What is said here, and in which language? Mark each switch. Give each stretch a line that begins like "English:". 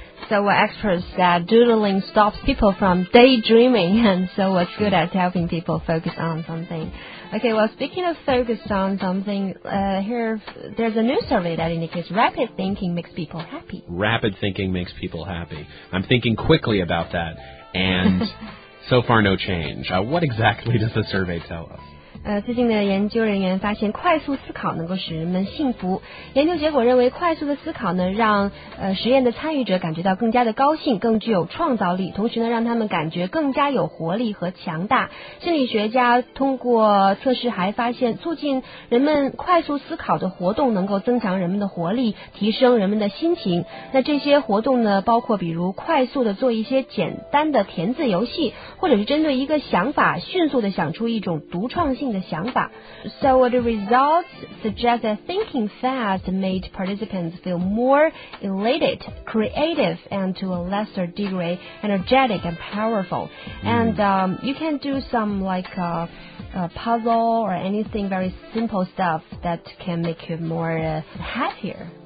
English: So experts said doodling stops people from daydreaming, and so it's good at helping people focus on something. Okay, well, speaking of focused on something, here, there's a new survey that indicates rapid thinking makes people happy. Rapid thinking makes people happy. I'm thinking quickly about that, and so far no change. What exactly does the survey tell us?
Chinese: 最近的研究人员发现快速思考能够使人们幸福。研究结果认为快速的思考呢，让实验的参与者感觉到更加的高兴，更具有创造力，同时呢，让他们感觉更加有活力和强大。心理学家通过测试还发现，促进人们快速思考的活动能够增强人们的活力，提升人们的心情。那这些活动呢，包括比如快速的做一些简单的填字游戏，或者是针对一个想法迅速的想出一种独创性的想法。
English: So the results suggest that thinking fast made participants feel more elated, creative, and to a lesser degree energetic and powerful. And you can do some like a puzzle or anything very simple stuff that can make you more happier.